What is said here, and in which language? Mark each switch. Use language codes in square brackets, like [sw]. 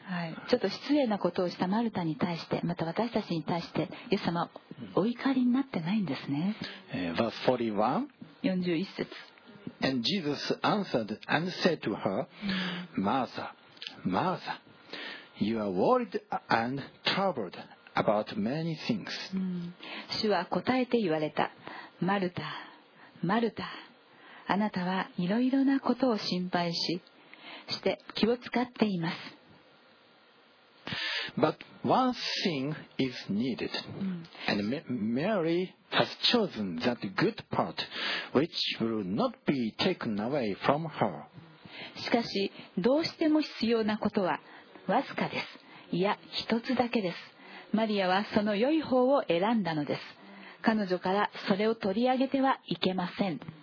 [ja] はい、ちょっと失礼なことをしたマルタに対して、また私たちに対してイエス様お怒りになってないんですね。 [en] Verse 41 And Jesus answered and said to her, Martha, Martha. You are worried and troubled about many things. [ja] 主は答えて言われた。マルタ、マルタ、あなたはいろいろなことを心配し、して気を使っています。 [en] But one thing is needed, and Mary has chosen that good part, which will not be taken away from her. [ja] しかし、どうしても必要なことは、わずかです。いや一つだけです。マリアはその良い方を選んだのです。彼女からそれを取り上げてはいけません。